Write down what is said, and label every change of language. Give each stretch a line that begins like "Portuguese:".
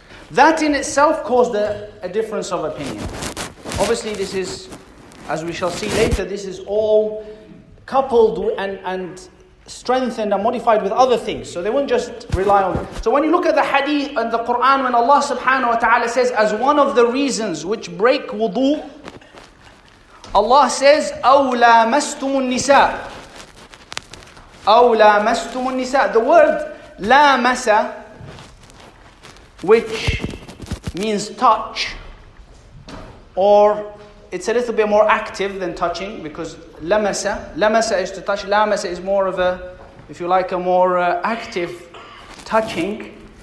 English: That in itself caused a difference of opinion. Obviously, this is, as we shall see later, this is all coupled and strengthened and modified with other things. So they won't just rely on it. So when you look at the hadith and the Quran, when Allah subhanahu wa ta'ala says, as one of the reasons which break wudu,
Arabic: Allah says, أَوْ لَامَسْتُمُ النِّسَاء. أَوْ لَامَسْتُمُ النِّسَاء.
English: The word لَامَسَ, which means touch, or it's a little bit more active than touching, because لَمَسَ, لَمَسَ is to touch, لَامَسَ is more of a, if you like, a more active touching.